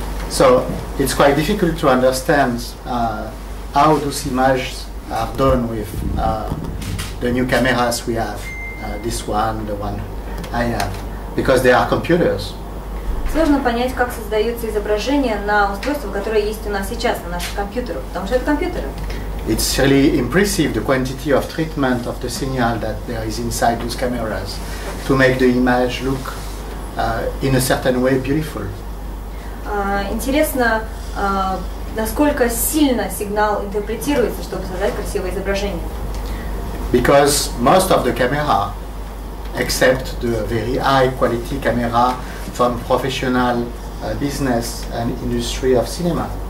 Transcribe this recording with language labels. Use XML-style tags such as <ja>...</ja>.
<en>So it's quite difficult to understand how those images are done with the new cameras we have, this one, the one I have, because they are computers.</en> <ru>Сложно понять, как создаются изображения на устройствах, которые есть у нас сейчас, на наших компьютерах, потому что это компьютеры.</ru> <en>It's really impressive the quantity of treatment of the signal that there is inside those cameras to make the image look in a certain way beautiful.</en> <ru>Интересно, насколько сильно сигнал интерпретируется, чтобы создать красивое изображение.</ru> <en>Because most of the camera, except the very high quality camera, from professional business and industry of cinema.</en>